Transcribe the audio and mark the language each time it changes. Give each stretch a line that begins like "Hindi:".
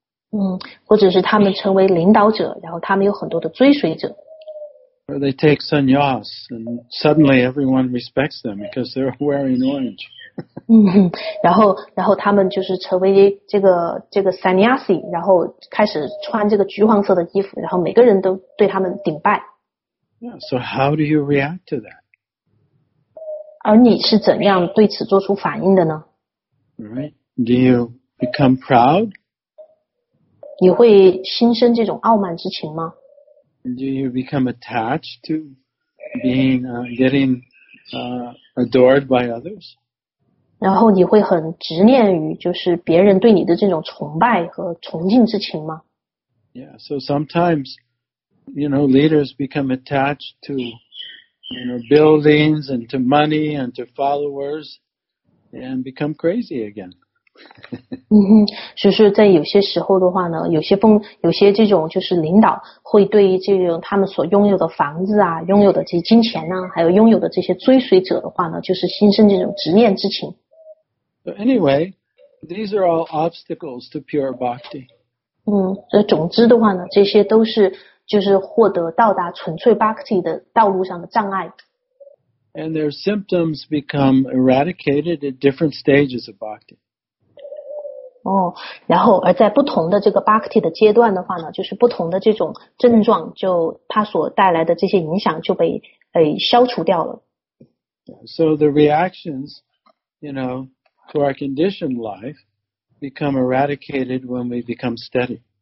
Chinese: 嗯，或者是他们成为领导者，然后他们有很多的追随者。
English: Or they take sannyas, and suddenly everyone respects them because they're wearing orange.
Chinese: 嗯，然后他们就是成为这个 sannyasi， 然后开始穿这个橘黄色的衣服，然后每个人都对他们顶拜。
English: Yeah. So how do you react to that?
Chinese: 而你是怎样对此做出反应的呢？
English: Right. Do you become proud?
Chinese: 你会心生这种傲慢之情吗？
English: Do you become attached to being, getting, adored by others?
Chinese: 然后你会很执念于就是别人对你的这种崇拜和崇敬之情吗？
English: Yeah, so sometimes, you know, leaders become attached to, you know, buildings and to money and to followers and become crazy again.
Chinese: 嗯哼，就是在有些时候的话呢，有些这种就是领导会对于这种他们所拥有的房子啊，拥有的这些金钱呢、啊，还有拥有的这些追随者的话呢，就是心生这种执念之情。
English: So anyway, these are all obstacles to pure bhakti.
Chinese: 嗯，所以总之的话呢，这些都是就是获得到达纯粹 bhakti 的道路上的障碍。
English: And their symptoms become eradicated at different stages of bhakti.
Chinese: 哦，然后而在不同的这个 Bhakti 的阶段的话呢，就是不同的这种症状，就它所带来的这些影响就被消除掉了。
English: So the reactions, you know, to our conditioned life become eradicated when we become steady.